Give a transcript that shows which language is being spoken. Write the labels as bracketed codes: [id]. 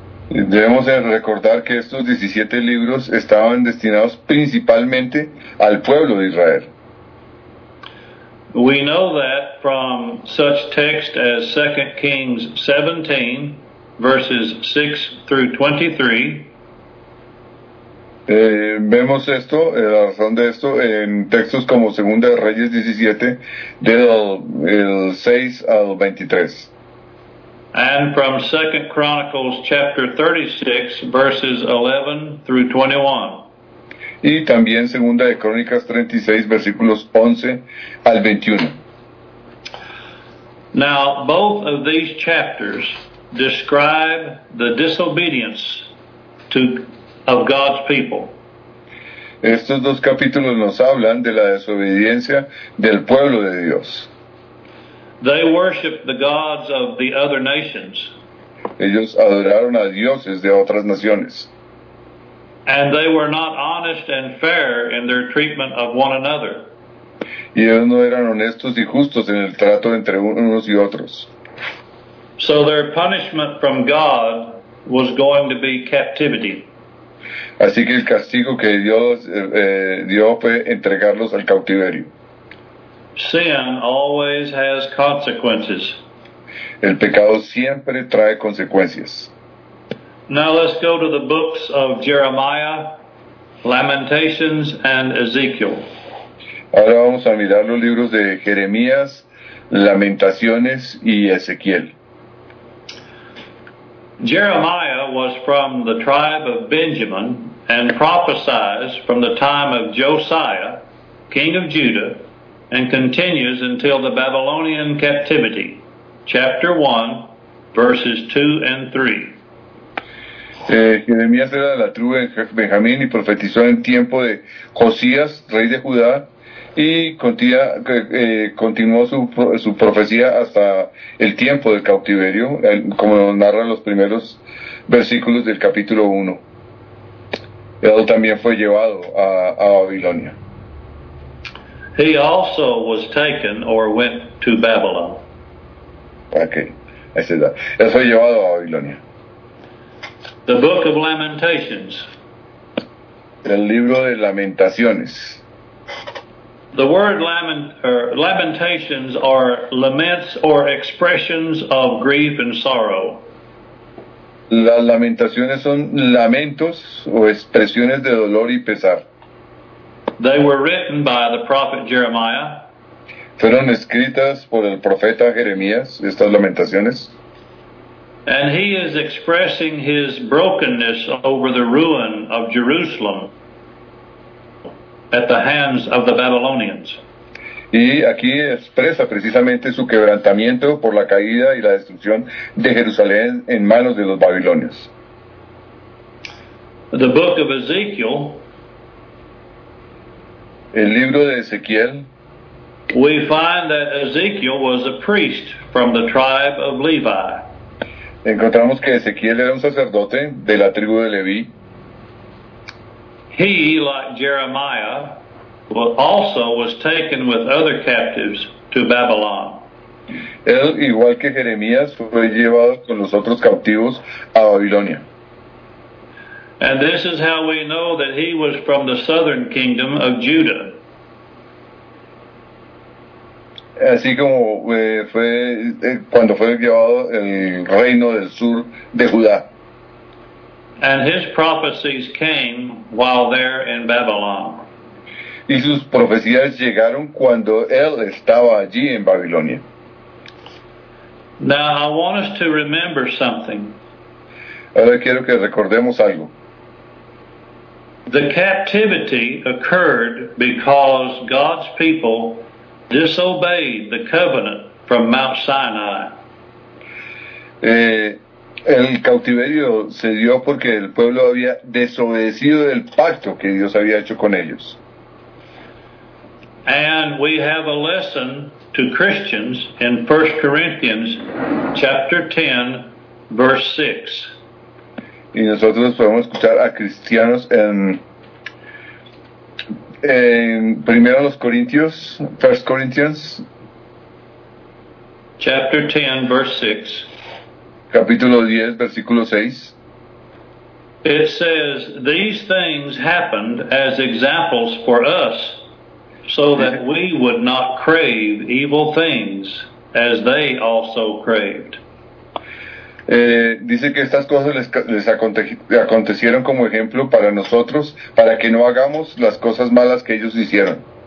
[es] Debemos recordar que estos 17 libros estaban destinados principalmente al pueblo de Israel. [en] We know that from such text as 2 Kings 17, verses 6 through 23. [es] Vemos esto, la razón de esto, en textos como Segunda de Reyes 17, del 6 al 23. [en] And from 2 Chronicles chapter 36, verses 11 through 21. [es] Y también Segunda de Crónicas 36, versículos 11 al 21. [en] Now, both of these chapters describe the disobedience of God's people. [es] Estos dos capítulos nos hablan de la desobediencia del pueblo de Dios. [en] They worship the gods of the other nations. [es] Ellos adoraron a dioses de otras naciones. [en] And they were not honest and fair in their treatment of one another. [es] Y ellos no eran honestos y justos en el trato entre unos y otros. [en] So their punishment from God was going to be captivity. [es] Así que el castigo que Dios dio fue entregarlos al cautiverio. [en] Sin always has consequences. [es] El pecado siempre trae consecuencias. [en] Now let's go to the books of Jeremiah, Lamentations, and Ezekiel. [es] Ahora vamos a mirar los libros de Jeremías, Lamentaciones y Ezequiel. [en] Jeremiah was from the tribe of Benjamin and prophesies from the time of Josiah, king of Judah, and continues until the Babylonian captivity. Chapter 1, verses 2 and 3. [es] Jeremías era de la tribu de Benjamín y profetizó en tiempo de Josías, rey de Judá, y continuó su profecía hasta el tiempo del cautiverio, como nos narran los primeros versículos del capítulo 1. Él también fue llevado a Babilonia. [en] He also was taken or went to Babylon. Okay, I said that. [es] Él fue llevado a Babilonia. [en] The Book of Lamentations. [es] El libro de Lamentaciones. [en] The word lamentations are laments or expressions of grief and sorrow. [es] Las lamentaciones son lamentos o expresiones de dolor y pesar. [en] They were written by the prophet Jeremiah. [es] Fueron escritas por el profeta Jeremías, estas lamentaciones. [en] And he is expressing his brokenness over the ruin of Jerusalem at the hands of the Babylonians. [es] Y aquí expresa precisamente su quebrantamiento por la caída y la destrucción de Jerusalén en manos de los babilonios. [en] The book of Ezekiel. [es] El libro de Ezequiel. [en] We find that Ezekiel was a priest from the tribe of Levi. [es] Encontramos que Ezequiel era un sacerdote de la tribu de Leví. [en] He, like Jeremiah, also was taken with other captives to Babylon. [es] Él, igual que Jeremías, fue llevado con los otros cautivos a Babilonia. [en] And this is how we know that he was from the southern kingdom of Judah. [es] Así como cuando fue llevado el reino del sur de Judá. [en] And his prophecies came while there in Babylon. [es] Y sus profecías llegaron cuando él estaba allí en Babilonia. [en] Now I want us to remember something. [es] Ahora quiero que recordemos algo. [en] The captivity occurred because God's people disobeyed the covenant from Mount Sinai. [es] El cautiverio se dio porque el pueblo había desobedecido el pacto que Dios había hecho con ellos. [en] And we have a lesson to Christians in 1 Corinthians chapter 10, verse 6. [es] Y nosotros podemos escuchar a cristianos en primero los Corintios, 1 Corinthians [en] chapter 10, verse 6. [es] Capítulo 10, versículo 6. [en] It says, "These things happened as examples for us, so that we would not crave evil things, as they also craved." [es] Dice que estas cosas les acontecieron como ejemplo para nosotros, para que no hagamos las cosas malas que ellos hicieron.